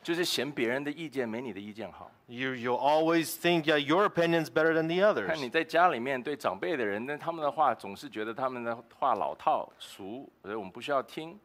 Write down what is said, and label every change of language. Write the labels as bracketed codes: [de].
[zh] 就是嫌别人的意见没你的意见好。 [en] You'll always think that your opinion's better than the others. [zh] 看你在家里面对长辈的人，那他们的话总是觉得他们的话老套俗，所以我们不需要听。